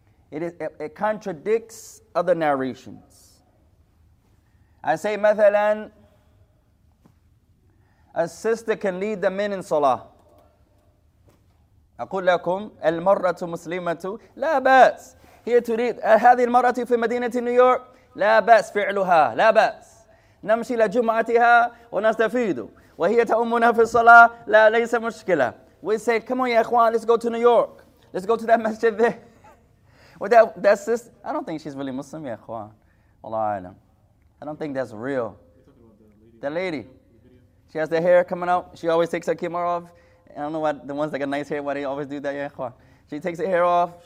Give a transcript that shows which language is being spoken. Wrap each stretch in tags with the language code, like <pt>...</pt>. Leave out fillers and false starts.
<en>It contradicts other narrations. I say, مثلاً, a sister can lead the men in salah.</en> <ar>أقول لكم المرأة مسلمة لا بأس.</ar> <en>Here to read</en> <ar>هذه المرأة في مدينة نيويورك لا بأس فعلها لا بأس. نمشي لجمعتها ونستفيد. وهي تأمنا في الصلاة لا ليس مشكلة.</ar> <en>We say, come on,</en> <ar>ya ikhwan,</ar> <en>let's go to New York. Let's go to that masjid there. With that sister, I don't think she's really Muslim,</en> <ar>ya ikhwan.</ar> <en>Wallah alam. I don't think that's real. The lady. She has the hair coming out. She always takes her kimono off. I don't know why the ones that got nice hair, why they always do that,</en> <ar>ya ikhwan.</ar> <en>She takes her hair off.</en>